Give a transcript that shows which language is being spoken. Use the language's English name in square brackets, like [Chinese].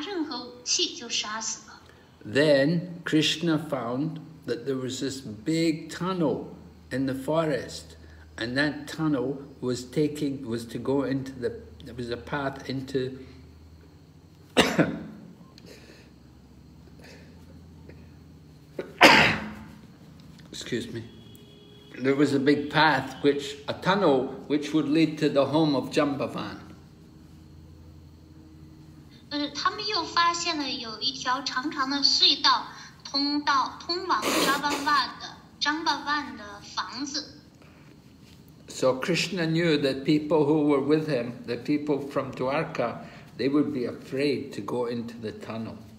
[Chinese] 这头狮子是张爸爸徒手没有拿任何武器就杀死了。 [English] Then Krishna found that there was this big tunnel in the forest. And that tunnel was taking, was to go into the, there was a path into excuse me, there was a big path which, a tunnel which would lead to the home of Jambavan. [Chinese] 他们又发现了有一条长长的隧道通往张爸爸的房子。 [English] So Krishna knew that people who were with him, the people from Dwarka, they would be afraid to go into the tunnel.